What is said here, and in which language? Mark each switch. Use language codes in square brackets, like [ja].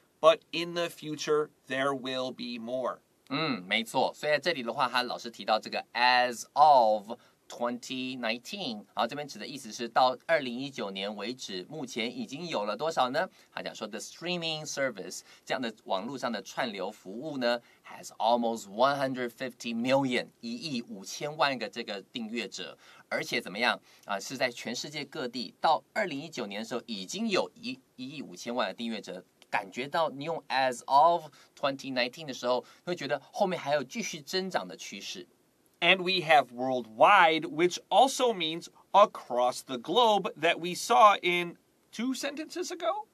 [en] But in the future, there will be more. [zh] 嗯，没错。所以在这里的话，他老师提到这个 [en] as of 2019， [zh] 然后这边指的意思是到2019年为止，目前已经有了多少呢？他讲说 [en] the streaming service [zh] 这样的网络上的串流服务呢 [en] has almost 150 million [zh] 一亿五千万个这个订阅者。而且怎么样、啊、是在全世界各地到2019年的时候已经有 1亿5千万的订阅者，感觉到你用 [en] as of 2019 [zh] 的时候会觉得后面还有继续增长的趋势。 [en] And we have worldwide, which also means across the globe that we saw in two sentences ago、